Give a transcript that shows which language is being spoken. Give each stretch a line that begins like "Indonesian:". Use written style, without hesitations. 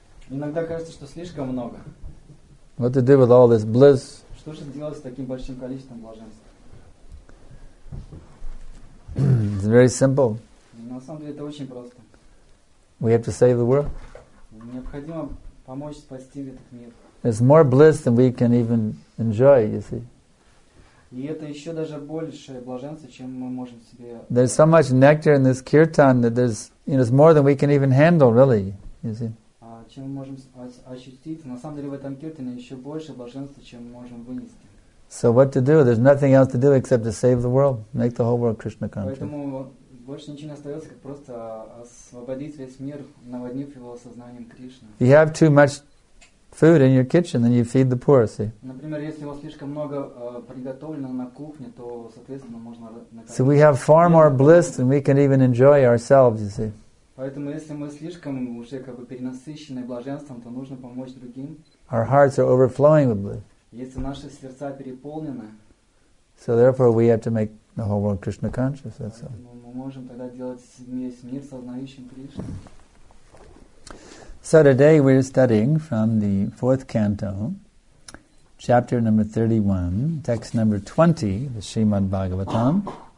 Russian: Иногда кажется, что слишком много.
English: What to do with all this bliss?
Russian: Что же делать с таким большим количеством блаженства?
English: It's very simple.
Russian: На самом деле это очень просто.
English: We have to save the world.
Russian: Необходимо помочь спасти этот мир.
English: There's more bliss than we can even enjoy, you see.
Russian: И это еще даже большее блаженство, чем мы можем себе.
English: There's so much nectar in this kirtan that there's, you know, it's more than we can even handle, really, you see.
Russian: Чем мы можем ощутить? На самом деле в этом киртане еще больше блаженства, чем мы можем вынести.
English: So what to do? There's nothing else to do except to save the world, make the whole world Krishna conscious.
Russian: Поэтому больше ничего не остается, как просто освободить весь мир, наводнив его сознанием Кришны.
English: You have too much food in your kitchen, then you feed the poor, see.
Russian: Например, если у вас слишком много приготовлено на кухне, то, соответственно, можно.
English: So we have far more bliss than we can even enjoy ourselves, you see.
Russian: Поэтому, если мы слишком уже как бы перенасыщены блаженством, то нужно помочь другим.
English: Our hearts are overflowing with bliss.
Russian: Если наши сердца переполнены.
English: So therefore, we have to make the whole world Krishna conscious. That's all.
Russian: Мы можем тогда делать весь мир сознающим Кришну.
English: So today we're studying from the 4th canto, chapter number 31, text number 20, the Srimad Bhagavatam.